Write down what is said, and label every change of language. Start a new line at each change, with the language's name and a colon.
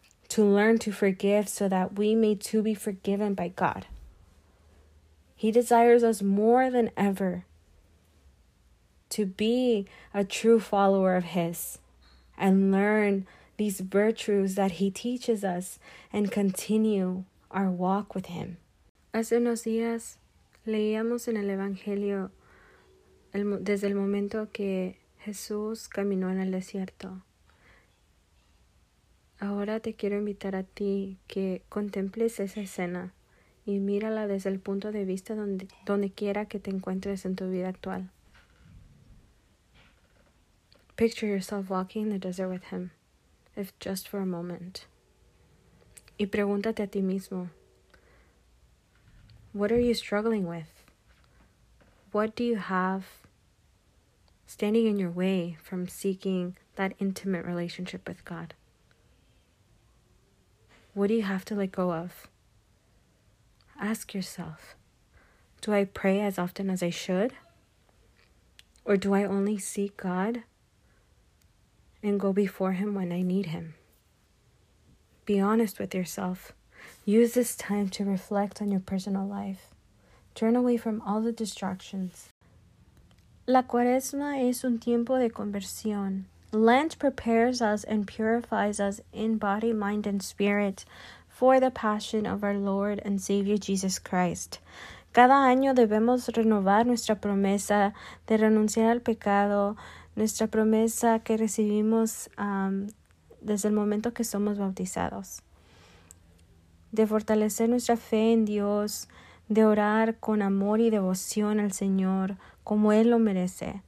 English: To learn to forgive so that we may too be forgiven by God. He desires us more than ever to be a true follower of His and learn these virtues that He teaches us and continue our walk with Him.
Spanish: Hace unos días leíamos en el Evangelio desde el momento que Jesús caminó en el desierto. Ahora te quiero invitar a ti que contemples esa escena y mírala desde el punto de vista donde quiera que te encuentres en tu vida actual.
English: Picture yourself walking in the desert with him, if just for a moment.
Spanish: Y pregúntate a ti mismo,
English: what are you struggling with? What do you have standing in your way from seeking that intimate relationship with God? What do you have to let go of? Ask yourself, do I pray as often as I should? Or do I only seek God and go before him when I need him? Be honest with yourself. Use this time to reflect on your personal life. Turn away from all the distractions.
Spanish: La cuaresma es un tiempo de conversión.
English: Lent prepares us and purifies us in body, mind, and spirit for the passion of our Lord and Savior Jesus Christ.
Spanish: Cada año debemos renovar nuestra promesa de renunciar al pecado, nuestra promesa que recibimos desde el momento que somos bautizados, de fortalecer nuestra fe en Dios, de orar con amor y devoción al Señor como Él lo merece.